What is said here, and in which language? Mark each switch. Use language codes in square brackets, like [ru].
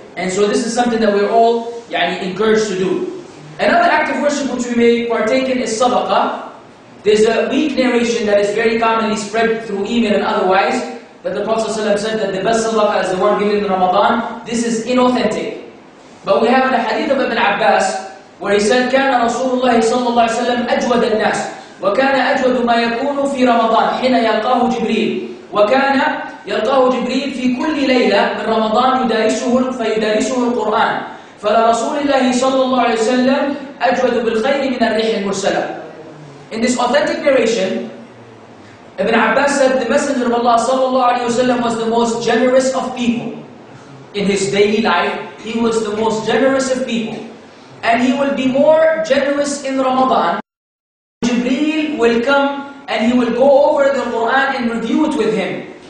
[en] And so this is something that we're all encouraged to do. Another act of worship which we may partake in is sadaqah. There's a weak narration that is very commonly spread through email and otherwise, that the Prophet ﷺ said that the best sadaqah is the one given in Ramadan. This is inauthentic. But we have in the hadith of Ibn Abbas, where he said, [ar] كَانَ رَسُولُ اللَّهِ صَلَّى اللَّهِ وَسَلَّمْ أَجْوَدَ النَّاسِ وَكَانَ أَجْوَدُ مَا يَكُونُ فِي رَمَضَانِ حِنَ يَلْقَاهُ جِبْرِيلِ وَكَانَ يَلْقَاهُ جِبْرِيلِ فِي كُلِّ لَيْلَةِ مِنْ رَمَضَانِ فَيُدَارِسُهُ الْقُرْآنِ فَلَا رَسُولِ اللَّهِ صَلَّى اللَّهِ وَسَلَّمْ أَجْوَدُ بِالْخَيْرِ مِنَ الْرِّحِ الْمُرْسَلَةِ. [en] In this authentic narration, Ibn Abbas said, the Messenger of Allah [ar] صلى الله عليه وسلم [en] was the most generous of people. In his daily life, he was the most generous of people. And he will be more generous in Ramadan. Jibreel will come and he will go over the Quran and review it with him.